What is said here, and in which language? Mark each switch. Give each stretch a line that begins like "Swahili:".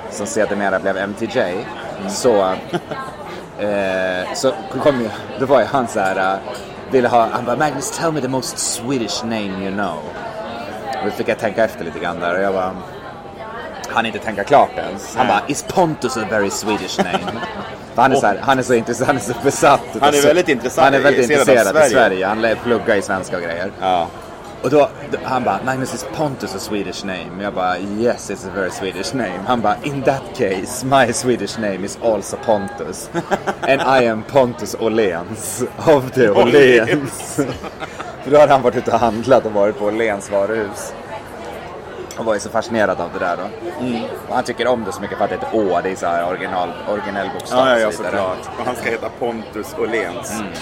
Swedish: Som sedermera blev MTJ. Mm. Så så kom jag, då var jag han så här, ville ha, han bara, Magnus,
English: tell me the most Swedish name you know.
Swedish: Och då fick jag tänka efter lite grann där, och jag bara, han inte tänka klart ens. Han bara,
English: is Pontus a very Swedish name?
Swedish: Han är så besatt. Han är väldigt intressant. Han är väldigt intresserad av Sverige. Han lär plugga i svenska och grejer. Ja. Och då han bara,
English: Magnus, is Pontus a Swedish name?
Swedish: Jag bara,
English: yes, it's a very Swedish name.
Swedish: Han bara,
English: in that case, my Swedish name is also Pontus. And I am Pontus Åhléns. Of the Åhléns.
Swedish: För då har han varit ute och handlat och varit på Åhléns varuhus. Han var ju så fascinerad av det där då. Mm. Och han tycker om det så mycket för att det är ett Å. Det är så här originell bokstav. Ja, ja, såklart. Och han ska heta Pontus Åhléns.